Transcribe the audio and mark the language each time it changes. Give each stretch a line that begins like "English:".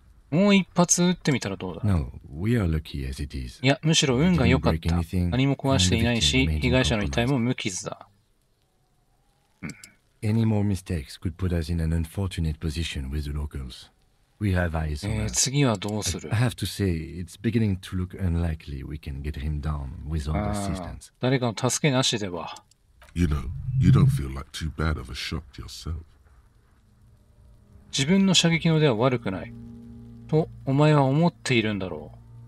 Japanese: もう一発撃ってみたらどうだ。いや、むしろ運が良かった。何も壊していないし、被害者の遺体も無傷だ。
English: Any more mistakes could put us in an unfortunate position with the locals. We have eyes on us.
Japanese: 次はどうする?
English: I have to say, it's beginning to look unlikely we can get him down without assistance.
Japanese: 誰かの助けなしでは。
English: You know, you don't feel like too bad of a shot yourself.
Japanese: 自分の射撃のでは悪くない。と、お前は思っているんだろう。